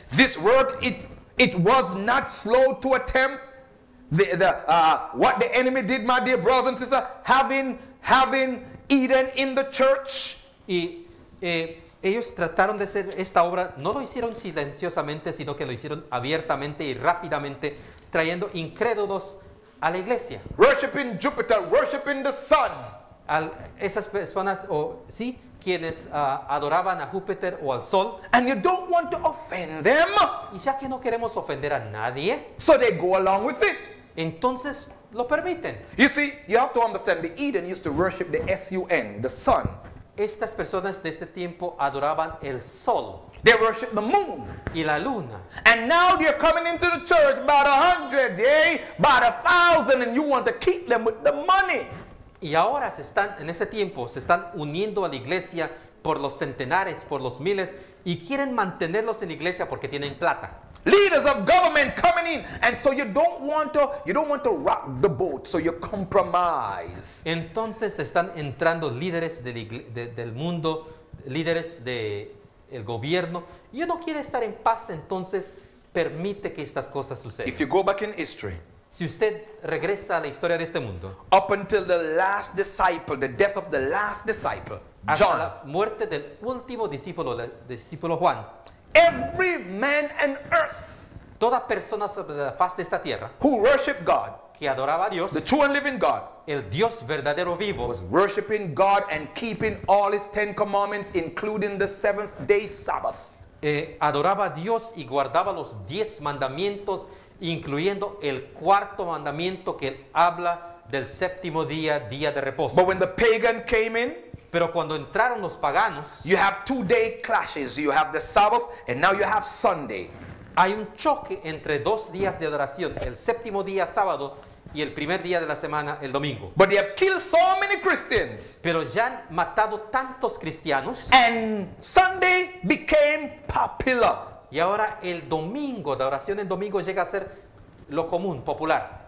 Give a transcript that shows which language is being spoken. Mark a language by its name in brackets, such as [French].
[English] This work, it was not slow to attempt. What the enemy did, my dear brothers and sisters, having Eden in the church. [Spanish] Y ellos trataron de hacer esta obra, no lo hicieron silenciosamente, sino que lo hicieron abiertamente y rápidamente, trayendo incrédulos a la iglesia. [English] Worshiping Jupiter, worshiping the sun. [Spanish] al esas personas o sí quienes adoraban a Júpiter o al sol. [English] And you don't want to offend them. [Spanish] Y ya que no queremos ofender a nadie, [English] so they go along with it. [Spanish] Entonces lo permiten. [English] You see, you have to understand the Eden used to worship the sun, the sun. [Spanish] Estas personas de este tiempo adoraban el sol. [English] They worship the moon. [Spanish] Y la luna. [English] And now they're coming into the church by the hundreds, yay, by the thousand, and you want to keep them with the money. [Spanish] Y ahora se están, en ese tiempo, se están uniendo a la iglesia por los centenares, por los miles, y quieren mantenerlos en la iglesia porque tienen plata. [English] Leaders of government coming in, and so you don't want to rock the boat, so you compromise. [Spanish] Entonces están entrando líderes del mundo, líderes de el gobierno. Yo no quiero estar en paz, entonces permite que estas cosas sucedan. [English] If you go back in history, [Spanish] si usted regresa a la historia de este mundo, [English] up until the last disciple, the death of the last disciple, [Spanish] hasta [English] John, [Spanish] la muerte del último discípulo, el discípulo Juan, [English] every man on earth, [Spanish] toda persona sobre la faz de esta tierra, [English] who worshiped God, [Spanish] que adoraba a Dios, [English] the true and living God, [Spanish] el Dios verdadero vivo, [English] was worshiping God and keeping all His Ten Commandments, including the seventh day Sabbath. [Spanish] Adoraba a Dios y guardaba los diez mandamientos, incluyendo el cuarto mandamiento que habla del séptimo día, día de reposo. [English] But when the pagan came in, [Spanish] pero cuando entraron los paganos, [English] you have 2 day clashes. You have the Sabbath and now you have Sunday. [Spanish] Hay un choque entre dos días de adoración, el séptimo día sábado y el primer día de la semana, el domingo. [English] But they have killed so many Christians. [Spanish] Pero ya han matado tantos cristianos. [English] And Sunday became popular. [Spanish] Y ahora el domingo, la adoración en domingo llega a ser lo común, popular.